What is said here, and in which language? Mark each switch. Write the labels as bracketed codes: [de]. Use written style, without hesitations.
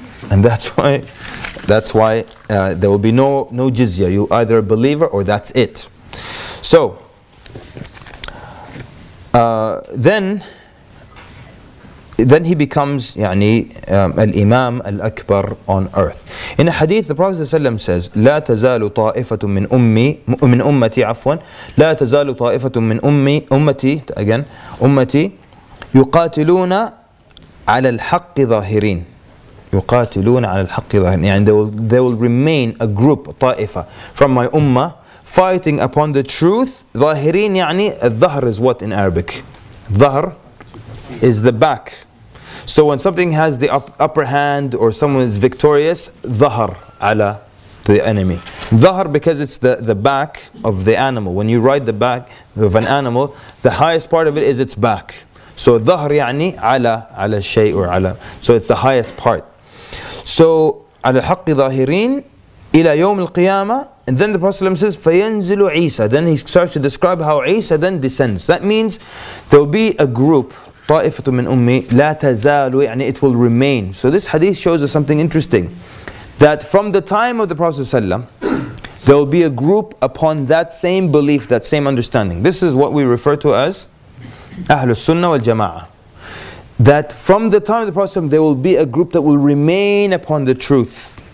[en] And that's why there will be no jizya. You either a believer or that's it. So, then he becomes al-imam al-akbar on earth. In a hadith, the Prophet ﷺ says, [ar] لا تزال طائفة من أمتي عفوا لا تزال طائفة من أمتي [en] again [ar] أمتي يقاتلون على الحق ظاهرين يقاتلون على الحق ظاهرين يعني [en] they will remain a group [ar] طائفة [en] from my ummah fighting upon the truth [ar] ظاهرين يعني الظهر [en] is what in Arabic [ar] ظهر [en] is the back. So when something has the upper hand or someone is victorious, [ar] ظهر على [en] the enemy. [ar] ظهر [en] because it's the back of the animal. When you ride the back of an animal, the highest part of it is its back. [ar] So ظهر يعني على الشيء or على. [en] So it's the highest part. [ar] So على حق ظاهرين إلى يوم القيامة. [en] And then the Prophet says, [ar] فَيَنْزِلُ عِيسَى. [en] Then he starts to describe how عِيسَى then descends. That means there will be a group. [ar] طائفة من أمي لا تزال يعني [en] it will remain. So this hadith shows us something interesting, that from the time of the Prophet ﷺ, there will be a group upon that same belief, that same understanding. This is what we refer to as Ahlus Sunnah wal Jama'ah. That from the time of the Prophet ﷺ, there will be a group that will remain upon the truth.